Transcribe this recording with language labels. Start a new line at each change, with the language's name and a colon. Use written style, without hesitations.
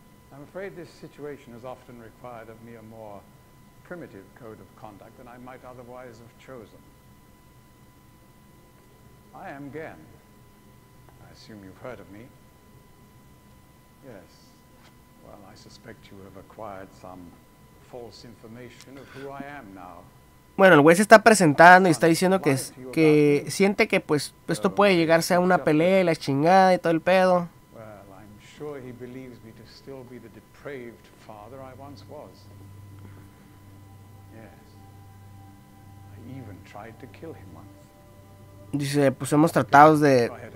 English: I'm afraid this situation has often required of me a more primitive code of conduct than I might otherwise have chosen. I am Gen. I assume you've heard of me. Yes. Well, I suspect you have acquired some false information of who I am now.
Spanish: Bueno, el güey se está presentando y está diciendo que siente que pues esto puede llegarse a una pelea y la chingada y todo el pedo.
English: Well, I'm sure he believes me to still be the depraved father I once was. Yes. I even tried to kill him once.
Spanish: Dice, pues hemos tratado de...